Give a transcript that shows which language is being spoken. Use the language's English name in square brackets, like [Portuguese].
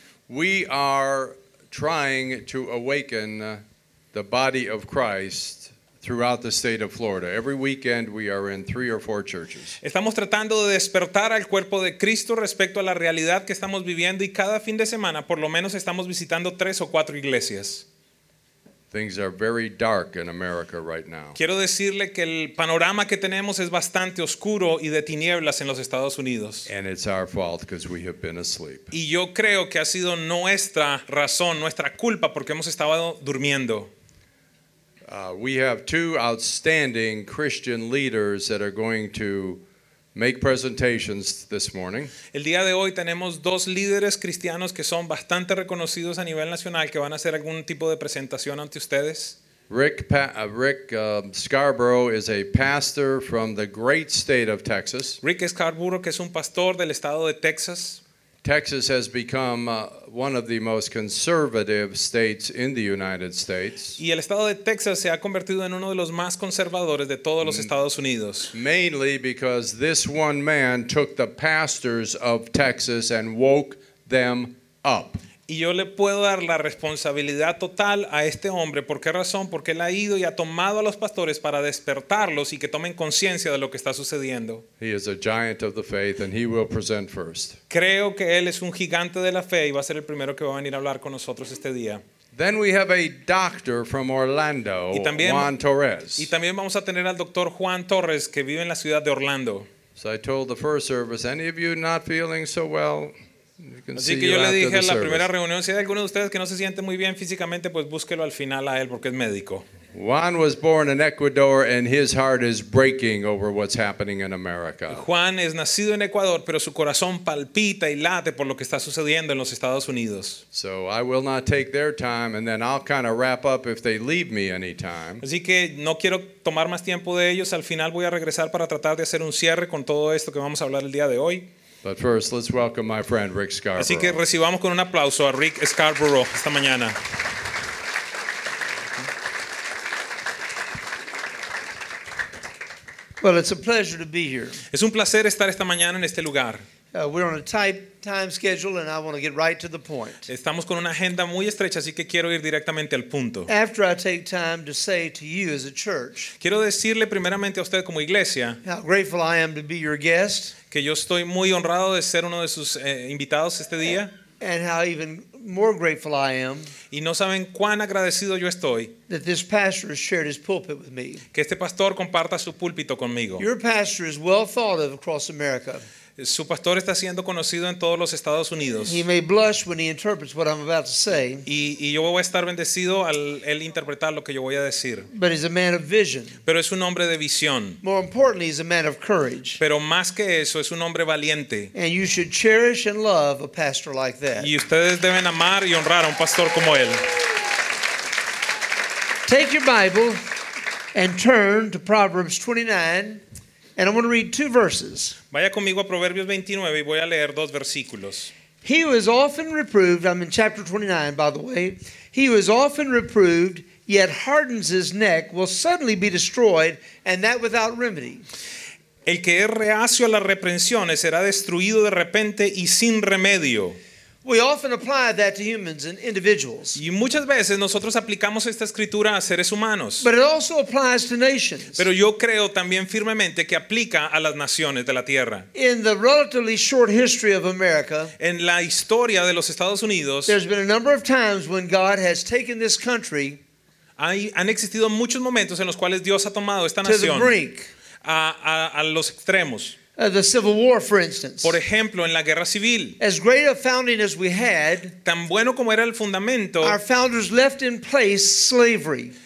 [English] We are trying to awaken the body of Christ throughout the state of Florida. Every weekend we are in 3 or 4 churches. [Spanish] Estamos tratando de despertar al cuerpo de Cristo respecto a la realidad que estamos viviendo, y cada fin de semana por lo menos estamos visitando 3 o 4 iglesias. [English] Things are very dark in America right now. [Spanish] Quiero decirle que el panorama que tenemos es bastante oscuro y de tinieblas en los Estados Unidos. [English] And it's our fault because we have been asleep. [Spanish] Y yo creo que ha sido nuestra razón, nuestra culpa, porque hemos estado durmiendo. [English] We have 2 outstanding Christian leaders that are going to make presentations this morning. [Spanish] El día de hoy tenemos 2 líderes cristianos que son bastante reconocidos a nivel nacional, que van a hacer algún tipo de presentación ante ustedes. [English] Rick Scarborough is a pastor from the great state of Texas. [Spanish] Rick Scarborough, que es un pastor del estado de Texas. [English] Texas has become one of the most conservative states in the United States. [Spanish] Y el estado de Texas se ha convertido en uno de los más conservadores de todos los Estados Unidos. [English] Mainly because this one man took the pastors of Texas and woke them up. [Spanish] Y yo le puedo dar la responsabilidad total a este hombre. ¿Por qué razón? Porque él ha ido y ha tomado a los pastores para despertarlos y que tomen conciencia de lo que está sucediendo. [English] He is a giant of the faith and he will present first. [Spanish] Creo que él es un gigante de la fe y va a ser el primero que va a venir a hablar con nosotros este día. [English] Then we have a doctor from Orlando, Juan Torres. [Spanish] Y también vamos a tener al doctor Juan Torres, que vive en la ciudad de Orlando. [English] So I told the first service, any of you not feeling so well, [Spanish] Así que yo le dije a la primera reunión, si hay alguno de ustedes que no se siente muy bien físicamente, pues búsquelo al final a él porque es médico. [English] Juan was born in Ecuador and his heart is breaking over what's happening in America. [Spanish] Juan es nacido en Ecuador, pero su corazón palpita y late por lo que está sucediendo en los Estados Unidos. [English] So I will not take their time and then I'll kind of wrap up if they leave me anytime. [Spanish] Así que no quiero tomar más tiempo de ellos, al final voy a regresar para tratar de hacer un cierre con todo esto que vamos a hablar el día de hoy. [English] But first, let's welcome my friend Rick Scarborough. [Spanish] Así que recibamos con un aplauso a Rick Scarborough esta mañana. [English] Well, it's a pleasure to be here. [Spanish] Es un placer estar esta mañana en este lugar. [English] We're on a tight time schedule, and I want to get right to the point. [Spanish] Estamos con una agenda muy estrecha, así que quiero ir directamente al punto. [English] After I take time to say to you as a church, [Spanish] quiero decirle primeramente a usted como iglesia, [English] how grateful I am to be your guest. [Spanish] Que yo estoy muy honrado de ser uno de sus invitados este día. [English] And how even more grateful I am. [Spanish] Y no saben cuán agradecido yo estoy. [English] That this pastor has shared his pulpit with me. [Spanish] Que este pastor comparta su púlpito conmigo. [English] Your pastor is well thought of across America. [Spanish] Su pastor está siendo conocido en todos los Estados Unidos. [English] He may blush when he interprets what I'm about to say. [Spanish] Y yo voy a estar bendecido al él interpretar lo que yo voy a decir. [English] But he's a man of vision. [Spanish] Pero es un hombre de visión. [English] More importantly, he's a man of courage. [Spanish] Pero más que eso, es un hombre valiente. [English] And you should cherish and love a pastor like that. [Spanish] Y ustedes deben amar y honrar a un pastor como él. [English] Take your Bible and turn to Proverbs 29. And I'm going to read two verses. [Spanish] Vaya conmigo a Proverbios 29 y voy a leer dos versículos. [English] He was often reproved, I'm in chapter 29 by the way. He was often reproved, yet hardens his neck, will suddenly be destroyed, and that without remedy. [Spanish] El que es reacio a las reprensiones será destruido de repente y sin remedio. [English] We often apply that to humans and individuals. [Spanish] Y muchas veces nosotros aplicamos esta escritura a seres humanos. [English] But it also applies to nations. [Spanish] Pero yo creo también firmemente que aplica a las naciones de la tierra. [English] In the relatively short history of America, [Spanish] en la historia de los Estados Unidos, [English] there's been a number of times when God has taken this country, [Spanish] han existido muchos momentos en los cuales Dios ha tomado esta nación, [English] to the brink, [Spanish] a los extremos. [English] The Civil War, for instance. [Spanish] Por ejemplo, en la Guerra Civil. [English] As great a founding as we had, [Spanish] tan bueno como era el fundamento, [English] our founders left in place slavery.